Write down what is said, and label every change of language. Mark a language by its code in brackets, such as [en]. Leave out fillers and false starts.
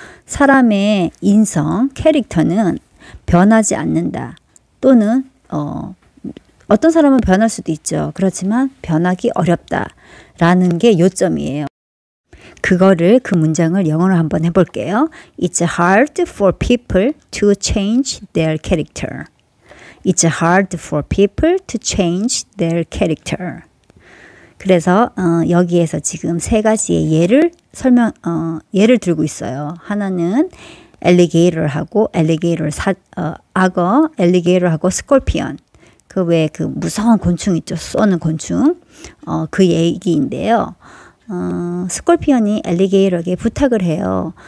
[ko] 사람의 인성, 캐릭터는 변하지 않는다. 또는 어떤 사람은 변할 수도 있죠. 그렇지만 변하기 어렵다라는 게 요점이에요. 그거를 그 문장을 영어로 한번 해볼게요. [en] It's hard for people to change their character. It's hard for people to change their character. [ko] 그래서 여기에서 지금 세 가지의 예를 설명 예를 들고 있어요. 하나는 alligator하고 alligator 악어 alligator하고 scorpion 그 외에 그 무서운 곤충 있죠. 쏘는 곤충 그 얘기인데요. scorpion이 alligator에게 부탁을 해요.